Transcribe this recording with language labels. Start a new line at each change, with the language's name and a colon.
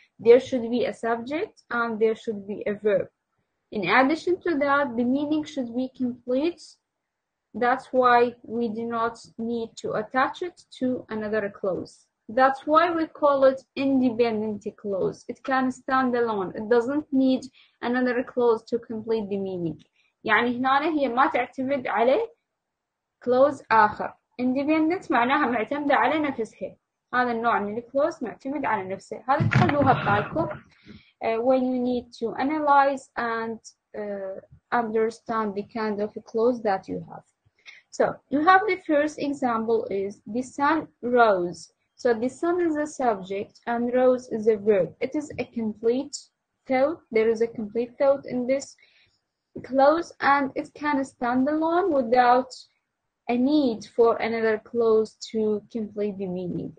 English: There should be a subject and there should be a verb. In addition to that, the meaning should be complete. That's why we do not need to attach it to another clause. That's why we call it independent clause. It can stand alone. It doesn't need another clause to complete the meaning.
Arabic: يعني هنا هي ما تعتمد على clause آخر. Independent معناها معتمدة على نفسها. هذا النوع من الكلوز معتمد على نفسه. هذا تخلوها ببالكم.
English: When you need to analyze and understand the kind of a clause that you have. So you have the first example is the sun rose. So the sun is a subject and rose is a verb. It is a complete thought. There is a complete thought in this clause, and it can stand alone without a need for another clause to complete the meaning.